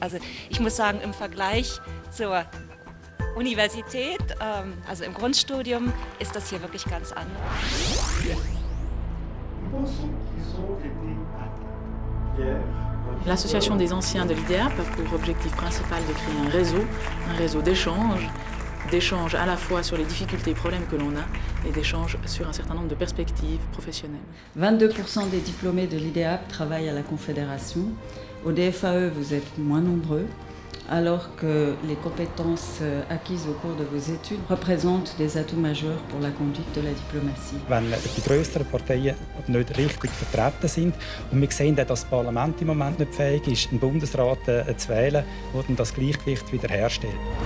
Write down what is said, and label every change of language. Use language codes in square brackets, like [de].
[de] Also ich muss sagen, im Vergleich zur Universität, also im Grundstudium, ist das hier wirklich ganz anders. [fr] L'association des anciens de l'IDEAP a pour objectif principal de créer un réseau d'échanges, d'échanges à la fois sur les difficultés et problèmes que l'on a et d'échanges sur un certain nombre de perspectives professionnelles. 22% des diplômés de l'IDEAP travaillent à la Confédération. Au DFAE, vous êtes moins nombreux. alors que les compétences acquises au cours de vos études représentent des atouts majeurs pour la conduite de la diplomatie. [de] Wenn die größeren Parteien nicht richtig vertreten sind und wir sehen, dass das Parlament im Moment nicht fähig ist, einen Bundesrat zu wählen, der dann das Gleichgewicht wiederherstellt.